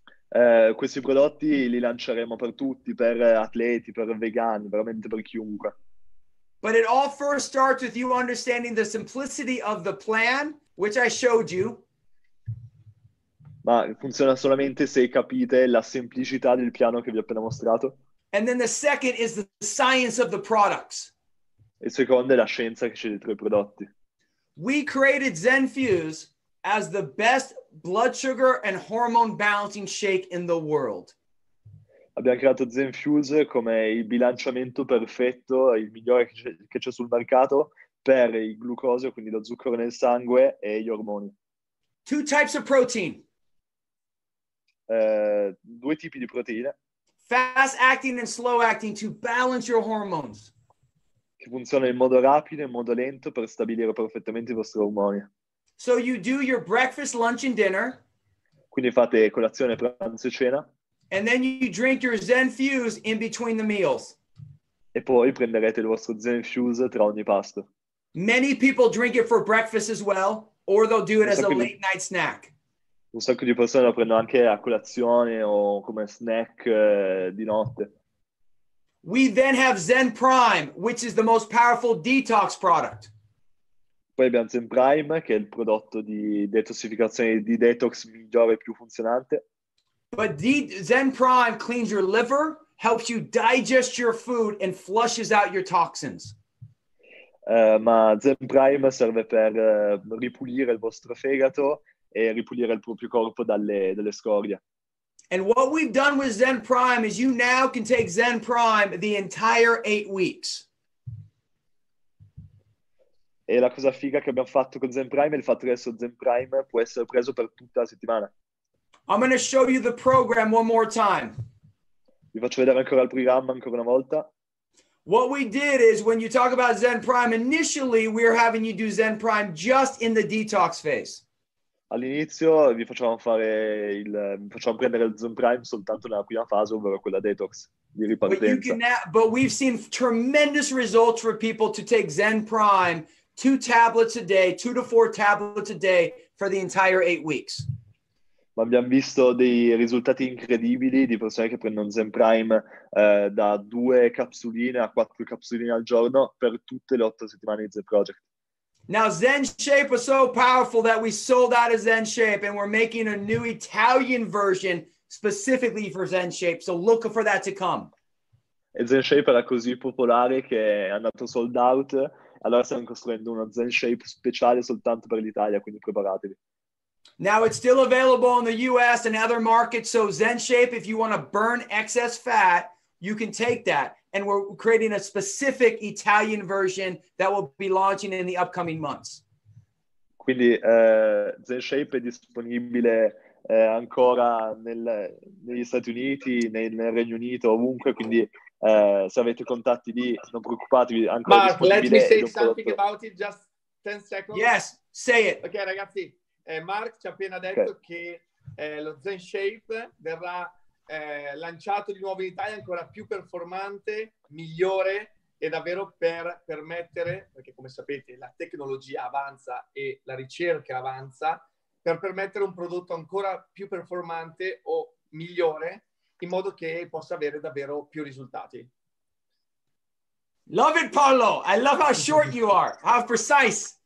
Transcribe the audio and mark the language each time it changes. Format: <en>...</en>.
<it>Questi prodotti li lanceremo per tutti, per atleti, per vegani, veramente per chiunque.</it> <en>But it all first starts with you understanding the simplicity of the plan, which I showed you.</en> <it>Ma funziona solamente se capite la semplicità del piano che vi ho appena mostrato.</it> <en>And then the second is the science of the products.</en> <it>E secondo è la scienza che c'è dietro i prodotti.</it> <en>We created Zen Fuse as the best blood sugar and hormone balancing shake in the world.</en> <it>Abbiamo creato Zen Fuse come il bilanciamento perfetto, il migliore che c'è sul mercato per il glucosio, quindi lo zucchero nel sangue e gli ormoni.</it> <en>Two types of protein.</en> <it>Due tipi di proteine.</it> <en>Fast acting and slow acting to balance your hormones.</en> <it>Che funziona in modo rapido e in modo lento per stabilire perfettamente i vostri ormoni.</it> <en>So you do your breakfast, lunch and dinner.</en> <it>Quindi fate colazione, pranzo e cena.</it> <en>And then you drink your Zen Fuse in between the meals.</en> <it>E poi prenderete il vostro Zen Fuse tra ogni pasto.</it> <en>Many people drink it for breakfast as well, or they'll do it as a late night snack.</en> <it>Un sacco di persone lo prendono anche a colazione o come snack di notte.</it> <en>We then have Zen Prime, which is the most powerful detox product.</en> <it>Poi abbiamo Zen Prime, che è il prodotto di detossificazione, di detox migliore e più funzionante.</it> <en>But Zen Prime cleans your liver, helps you digest your food, and flushes out your toxins.</en> <it>Ma Zen Prime serve per ripulire il vostro fegato e ripulire il proprio corpo dalle scorie.</it> <en>And what we've done with Zen Prime is you now can take Zen Prime the entire 8 weeks.</en> <it>E la cosa figa che abbiamo fatto con Zen Prime è il fatto che adesso Zen Prime può essere preso per tutta la settimana.</it> <en>I'm going to show you the program one more time.</en> <it>Vi faccio vedere ancora il programma, ancora una volta.</it> <en>What we did is, when you talk about Zen Prime, initially we are having you do Zen Prime just in the detox phase.</en> <it>All'inizio vi facciamo fare facciamo prendere il Zen Prime soltanto nella prima fase, ovvero quella detox, di ripartenza.</it> <en>But we've seen tremendous results for people to take Zen Prime 2 to 4 tablets a day for the entire 8 weeks.</en> <it>Ma abbiamo visto dei risultati incredibili di persone che prendono Zen Prime da 2 capsuline a 4 capsuline al giorno per tutte le 8 settimane di Zen Project.</it> <en>Now Zen Shape was so powerful that we sold out of Zen Shape and we're making a new Italian version specifically for Zen Shape, so look for that to come.</en> <it>E Zen Shape era così popolare che è andato sold out, allora stiamo costruendo uno Zen Shape speciale soltanto per l'Italia, quindi preparatevi.</it> <en>Now it's still available in the US and other markets, so Zen Shape, if you want to burn excess fat, you can take that. And we're creating a specific Italian version that will be launching in the upcoming months.</en> <it>Quindi Zen Shape è disponibile ancora negli Stati Uniti, nel Regno Unito, ovunque, quindi se avete contatti lì, non preoccupatevi, ancora Mark, disponibile.</it> <en>Let me say something about it, just 10 seconds. Yes, say it.</en> <it>Okay, ragazzi. Mark ci ha appena detto che lo Zen Shape verrà lanciato di nuovo in Italia, ancora più performante, migliore, e davvero per permettere, perché come sapete la tecnologia avanza e la ricerca avanza, per permettere un prodotto ancora più performante o migliore, in modo che possa avere davvero più risultati.</it> <en>Love it, Paolo! I love how short you are, how precise!</en>